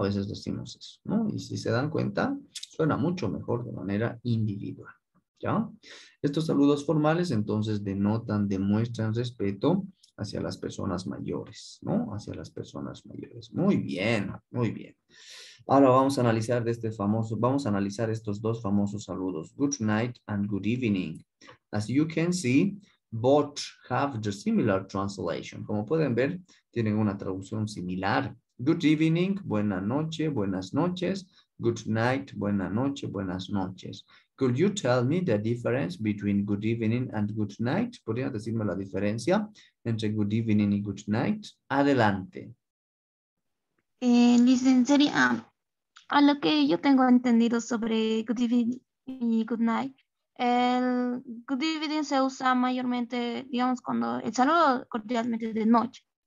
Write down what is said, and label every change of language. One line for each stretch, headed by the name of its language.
Spanish: A veces decimos eso, ¿no? Y si se dan cuenta, suena mucho mejor de manera individual. ¿Ya? Estos saludos formales entonces denotan, demuestran respeto hacia las personas mayores, ¿no? Hacia las personas mayores. Muy bien, muy bien. Ahora vamos a analizar vamos a analizar estos dos famosos saludos.
English: Good night and good evening. As you can see, both have the similar translation.
Spanish: Como pueden ver, tienen una traducción similar.
English: Good evening,
Spanish: buena noche, buenas noches.
English: Good night,
Spanish: buena noche, buenas noches.
English: Could you tell me the difference between good evening and good night?
Spanish: ¿Podrías decirme la diferencia entre good evening y good night? Adelante. Licenciada, a lo que yo tengo entendido sobre Good Evening y Good Night, el Good Evening se usa mayormente, digamos, cuando el saludo cordialmente de noche.